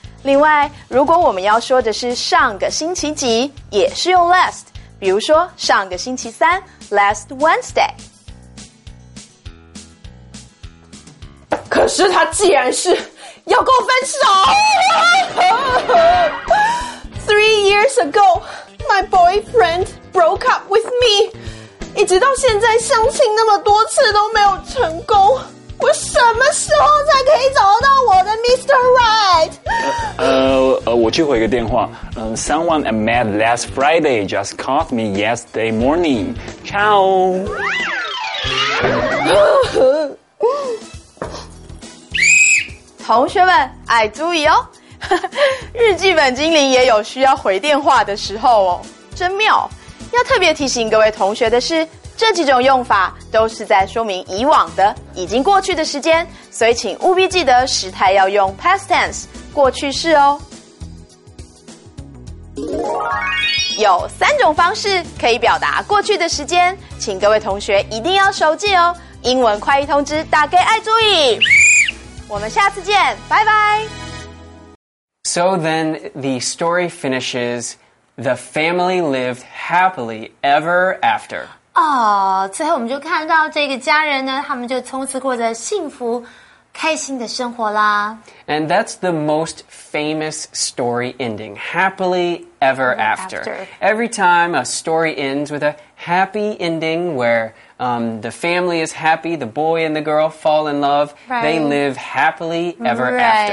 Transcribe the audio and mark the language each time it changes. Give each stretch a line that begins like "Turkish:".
Chinese: 另外，如果我们要说的是上个星期几，也是用 last， 比如说上个星期三， last Wednesday。可是他既然是要跟我分手。
English: Three years ago, my boyfriend broke up with me.
Chinese: 一直到现在相亲那么多次都没有成功，我什么时候才可以找到我的 Mr.
English: Right？
Chinese: 我去回个电话。
English: Someone I met last Friday just called me yesterday morning. Ciao.
Chinese: 同学们爱注意哦，日记本精灵也有需要回电话的时候哦，真妙。要特别提醒各位同学的是，这几种用法都是在说明以往的已经过去的时间，所以请务必记得时态要用 past tense 过去式哦。有三种方式可以表达过去的时间，请各位同学一定要熟记哦。英文快译通知大家爱注意，我们下次见，拜拜。
English: So then the story finishes, the family lived happily ever after.
Chinese: 哦，最后我们就看到这个家人呢，他们就从此过着幸福开心的生活啦。
English: And that's the most famous story ending, happily ever after. Every time a story ends with a happy ending where the family is happy, the boy and the girl fall in love, right. They live happily ever right. after.